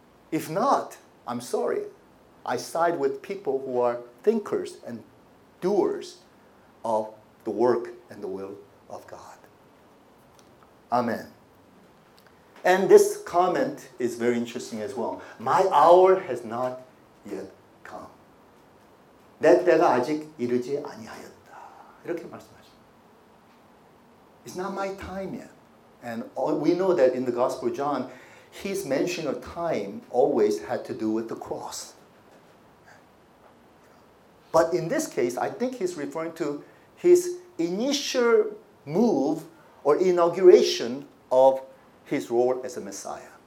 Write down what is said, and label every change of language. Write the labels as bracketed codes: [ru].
[en] If not, I'm sorry. I side with people who are thinkers and doers of the work and the will of God. Amen. And this comment is very interesting as well. My hour has not yet come. [ko] 내 때가 아직 이르지 아니하였다. 이렇게 말씀하십니다. [en] It's not my time yet. And all, we know that in the Gospel of John, his mention of time always had to do with the cross. But in this case, I think he's referring to his initial move or inauguration of his role as a Messiah.